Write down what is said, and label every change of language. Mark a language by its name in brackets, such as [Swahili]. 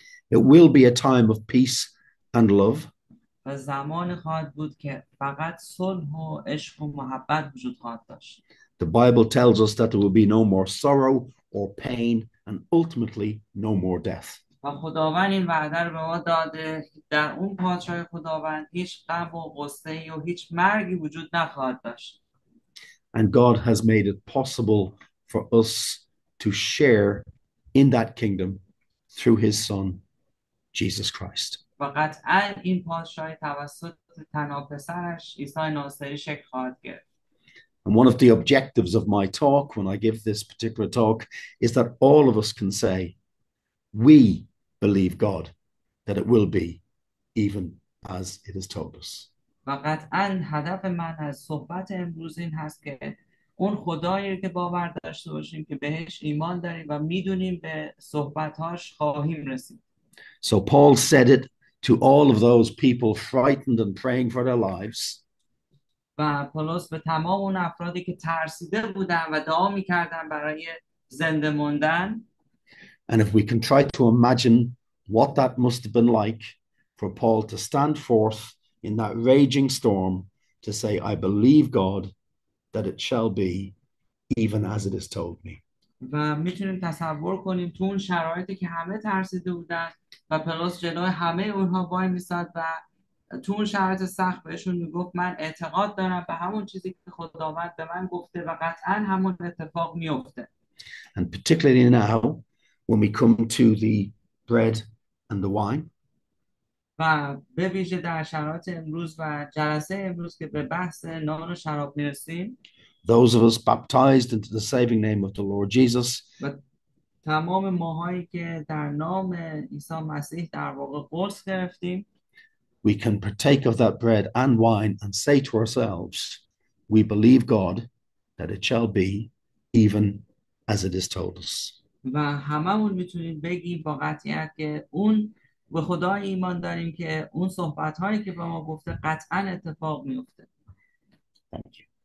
[English] It will be a time of peace and love. [Persian] و زمان خواهد بود که فقط صلح و عشق و محبت وجود خواهد داشت. [English] The Bible tells us that there will be no more sorrow or pain and ultimately no more death. [Persian] و خداوند این وعده رو به ما داده در اون پادشاه خداوند هیچ غم و غصه و هیچ مرگی وجود نخواهد داشت. [English] And God has made it possible for us to share in that kingdom through his son, Jesus Christ. [Persian] و قطعاً این پادشاهی توسط تنها پسرش عیسی ناصری شکل خواهد گرفت. [English] And one of the objectives of my talk when I give this particular talk is that all of us can say, we believe God, that it will be even as it has told us. [Persian] و قطعاً هدف من از صحبت امروز این هست که اون خدایی که باور داشته باشیم که بهش ایمان داریم و میدونیم به صحبتاش خواهیم رسید. [English] So Paul said it to all of those people frightened and praying for their lives. [Persian] و پولس به تمام اون افرادی که ترسیده بودن و دعا میکردن برای زنده موندن. [English] And if we can try to imagine what that must have been like for Paul to stand forth in that raging storm to say, I believe God that it shall be even as it is told me. [Persian] و میتونیم تصور کنیم تو اون شرایطی که همه ترسیده بودن و پولس جلوی همه اونها وای میساد و تو اون شرایط سخت بهشون میگفت من اعتقاد دارم به همون چیزی که خداوند به من گفته و قطعا همون اتفاق میفته. [English] And particularly now, when we come to the bread and the wine. [Persian] و به ویژه در شرایط امروز و جلسه امروز که به بحث نان و شراب میرسیم. [English] Those of us baptized into the saving name of the Lord Jesus. [Persian] و تمام ماهایی که در نام عیسی مسیح در واقع قرص گرفتیم. [English] We can partake of that bread and wine and say to ourselves, we believe God that it shall be even as it is told us. [Persian] و هممون میتونیم بگیم با قطعیت که اون به خدا ایمان داریم که اون صحبت هایی که به ما گفته قطعا اتفاق میفته. [English] Thank you.